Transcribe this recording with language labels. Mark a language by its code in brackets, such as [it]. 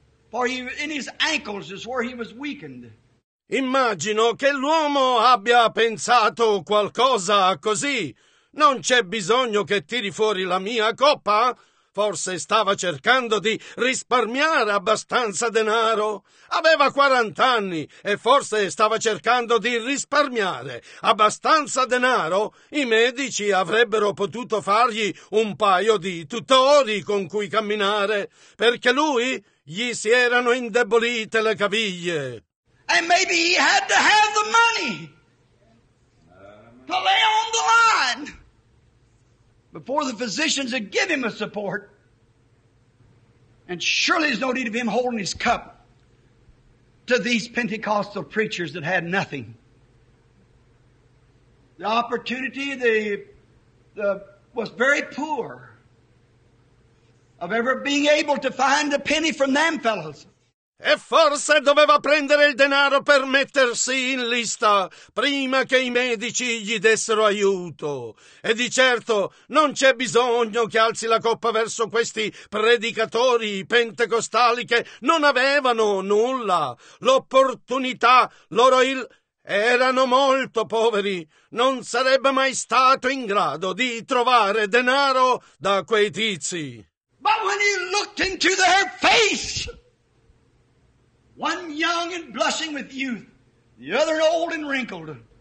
[en] For he, in his ankles is where he was weakened. [it] Immagino che l'uomo abbia pensato qualcosa così. Non c'è bisogno che tiri fuori la mia coppa. Forse stava cercando di risparmiare abbastanza denaro. Aveva 40 anni e forse stava cercando di risparmiare abbastanza denaro. I medici avrebbero potuto fargli un paio di tutori con cui camminare, perché lui gli si erano indebolite le caviglie. [en] And maybe he had to have the money to lay on the line. Before the physicians had given him a support. And surely there's no need of him holding his cup to these Pentecostal preachers that had nothing. The opportunity was very poor of ever being able to find a penny from them fellows. [it] E forse doveva prendere il denaro per mettersi in lista prima che i medici gli dessero aiuto. E di certo non c'è bisogno che alzi la coppa verso questi predicatori pentecostali che non avevano nulla. L'opportunità loro erano molto poveri. Non sarebbe mai stato in grado di trovare denaro da quei tizi. Ma [en] when he looked into their face, one young and blushing with youth, the other old and wrinkled.